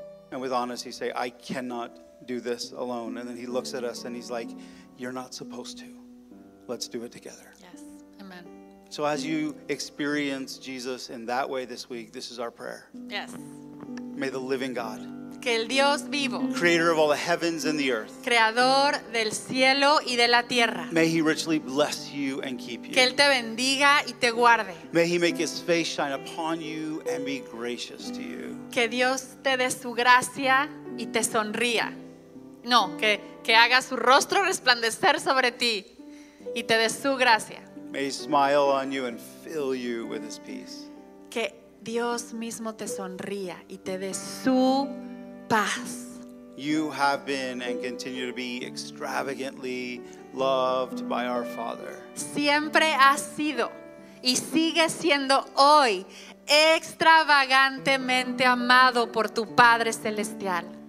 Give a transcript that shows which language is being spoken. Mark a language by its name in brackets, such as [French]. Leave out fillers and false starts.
[English] And with honesty, say, I cannot do this alone. And then he looks at us and he's like, you're not supposed to. Let's do it together. Yes, amen. So as you experience Jesus in that way this week, this is our prayer. Yes. May the living God, [Spanish] que el Dios vivo, [English] creator of all the heavens and the earth, [Spanish] creador del cielo y de la tierra, [English] may he richly bless you and keep you. [Spanish] Que él te bendiga y te guarde. [English] May he make his face shine upon you and be gracious to you. [Spanish] Que Dios te dé su gracia y te sonría. No, que haga su rostro resplandecer sobre ti y te dé su gracia. [English] May he smile on you and fill you with his peace. [Spanish] Que Dios mismo te sonría y te dé su paz. [English] You have been and continue to be extravagantly loved by our Father. [Spanish] Siempre has sido y sigue siendo hoy extravagantemente amado por tu Padre Celestial.